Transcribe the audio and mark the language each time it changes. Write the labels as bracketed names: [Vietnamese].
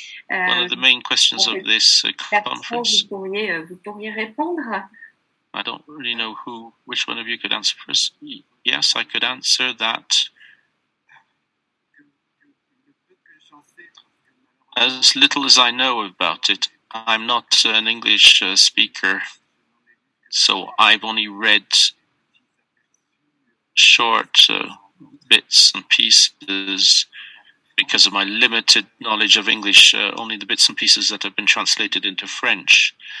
[English] One of the main questions of this conference. [French] Vous pourriez répondre. [English] I don't really know which one of you could answer first. Yes, I could answer that. As little as I know about it, I'm not an English speaker, so I've only read short bits and pieces because of my limited knowledge of English, only the bits and pieces that have been translated into French.